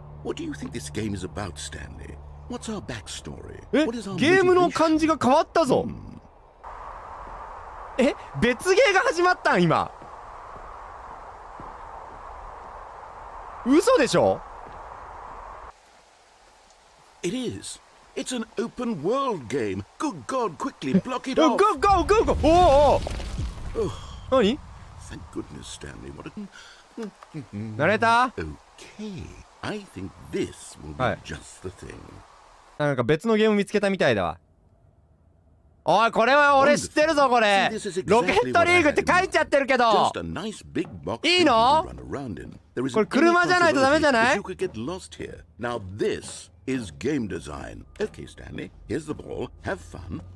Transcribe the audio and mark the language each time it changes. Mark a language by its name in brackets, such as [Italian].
[English] What do you think this game is about, Stanley? What's our backstory? [Japanese] ゲームの感じが変わったぞ。え、別ゲーが始まったん今。嘘でしょ。 [English] It is. It's an open world game. Good God, quickly block it off. Go, go, go, go. [Japanese] おお。何？ [English] Thank goodness, Stanley. What? [Japanese] 慣れた？ [English] Okay. I think this will be just the thing. [Japanese] なんか別のゲーム見つけたみたいだわ。おい、これは俺知ってるぞ、これ。ロケットリーグって書いちゃってるけど。いいの？これ車じゃないとダメじゃない？ [English] You could get lost here. Now this is game design. Okay, Stanley. Here's the ball. Have fun.